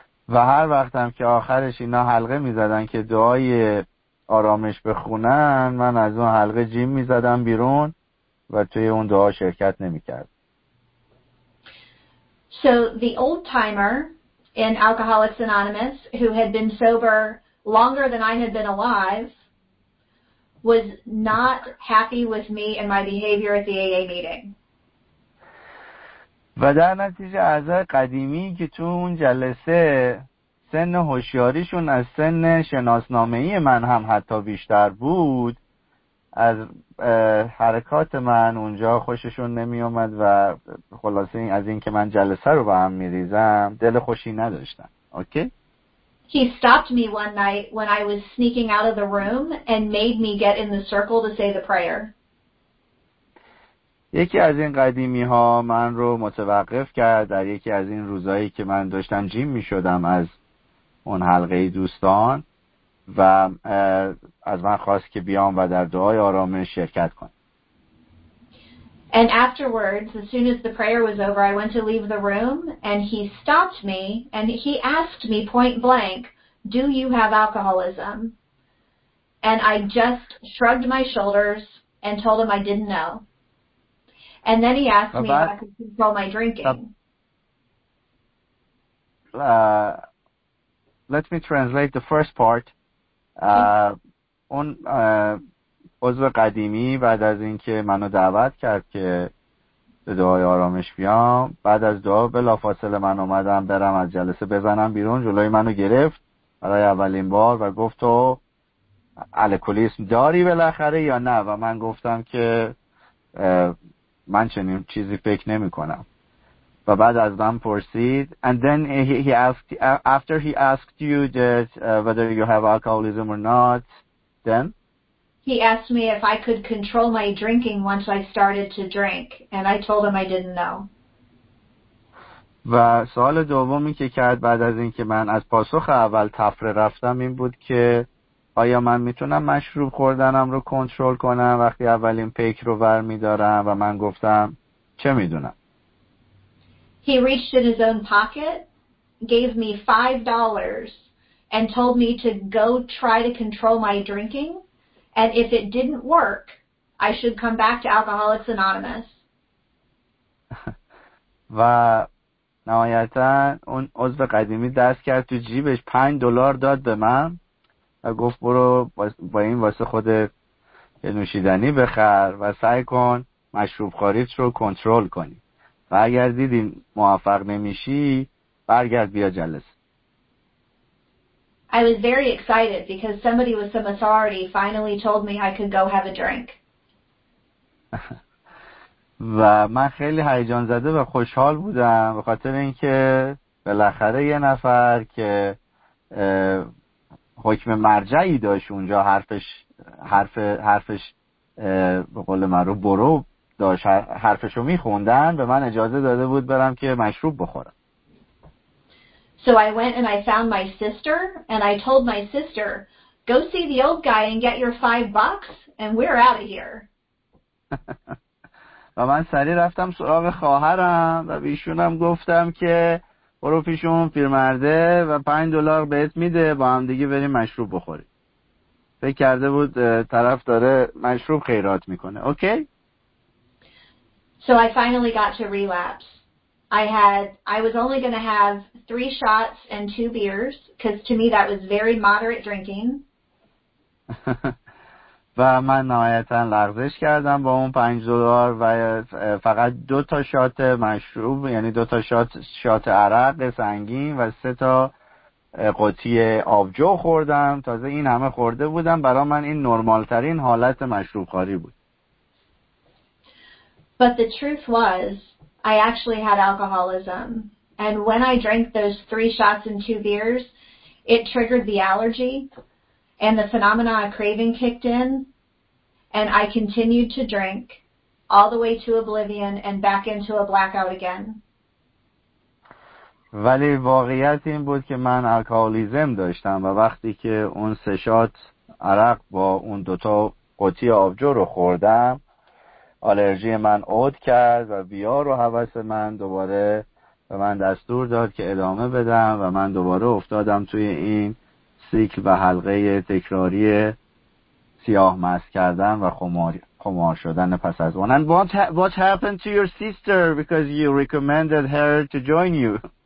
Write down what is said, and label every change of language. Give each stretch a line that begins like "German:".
Persian: و هر وقتم که آخرش اینا حلقه می‌زدن که دعای آرامش بخونن من از اون حلقه جیم می‌زدم بیرون و توی اون دعا شرکت نمی‌کردم.
English: So the old timer in Alcoholics Anonymous, who had been sober longer than I had been alive, was not happy with me and my behavior at the AA meeting.
Persian: و در نتیجه اعضای قدیمی که تو اون جلسه سن هوشیاریشون از سن شناسنامه‌ای من هم حتی بیشتر بود، از حرکات من اونجا خوششون نمی اومد و خلاصه از این که من جلسه رو با هم می ریزم دل خوشی نداشتن.
English: Okay? He stopped me one night when I was sneaking out of the room and made me get in the circle to say the prayer.
Persian: یکی از این قدیمی ها من رو متوقف کرد در یکی از این روزایی که من داشتم جیم می شدم از اون حلقه دوستان و از من خواست که بیام و در دعای آرامش شرکت کنم.
English: And afterwards, as soon as the prayer was over, I went to leave the room and he stopped me and he asked me point blank, "Do you have alcoholism?" And I just shrugged my shoulders and told him I didn't know. And then he asked me if I could control my drinking. Let me translate the first part.
Persian: اون عضو قدیمی بعد از اینکه منو دعوت کرد که به دعای آرامش بیام، بعد از دعا بلافاصله من اومدم برم از جلسه بزنم بیرون، جلوی منو گرفت برای اولین بار و گفت تو الکلیسم داری بالاخره یا نه، و من گفتم که من چنین چیزی فکر نمی کنم و بعد از من پرسید
English: and then he asked after he asked you that whether you have alcoholism or not then he asked me if I could control my drinking once I started to drink and I told him I didn't know.
Persian: و سوال دومی که کرد بعد از اینکه من از پاسخ اول تفره رفتم این بود که آیا من میتونم مشروب خوردنم رو کنترل کنم وقتی اولین پیک رو ور میدارم، و من گفتم چه میدونم.
English: He reached in his own pocket gave me $5 and told me to go try to control my drinking, and if it didn't work, I should come back to Alcoholics Anonymous.
Persian: و نهایتا اون عضو قدیمی دست کرد تو جیبش $5 داد به من و گفت برو با این واسه خودت یه نوشیدنی بخر و سعی کن مشروب خوریت رو کنترل کنی و اگر دیدی موفق نمیشی برگرد بیا جلسه.
English: I was very excited because somebody with some authority finally told me I could go have a drink.
Persian: و من خیلی هیجان زده و خوشحال بودم به خاطر اینکه بالاخره یه نفر که حکم مرجعی داشت اونجا حرفش به قول معروف برو داشت حرفشو میخوندن به من اجازه داده بود برم که مشروب بخورم.
English: So I went and I found my sister and I told my sister go see the old guy and get your $5 and we're out of here.
Persian: و من سریع رفتم سراغ خواهرم و به ایشونم گفتم که برو پیش اون پیرمرده و $5 بهت میده با هم دیگه بریم مشروب بخوریم. فکر کرده بود طرف داره مشروب خیرات میکنه. اوکی؟
English: So I finally got to relapse. I was only going to have 3 shots and 2 beers because to me that was very moderate drinking.
Persian: و من نهایتاً لغزش کردم با اون $5 و فقط 2 شات مشروب یعنی 2 شات عرق سنگین و 3 قطعه آبجو خوردم. تازه این همه خورده بودم برای من این نرمال ترین حالت مشروب خوری بود.
English: But the truth was I actually had alcoholism and when I drank those 3 shots and 2 beers it triggered the allergy. And the phenomena of craving kicked in, and I continued to drink all the way to oblivion and back into a blackout again.
Persian: ولی واقعیت این بود که من الکالیزم داشتم و وقتی که اون سه شات عرق با اون دوتا قطعه آبجو رو خوردم، آلرژی من عود کرد و بیار و حواس من دوباره به من دستور داد که ادامه بدم و من دوباره افتادم توی این سیکل و حلقه تکراری سیاه مست کردن و خمار شدن پس از اون.
English: What happened to your sister because you recommended her to join you?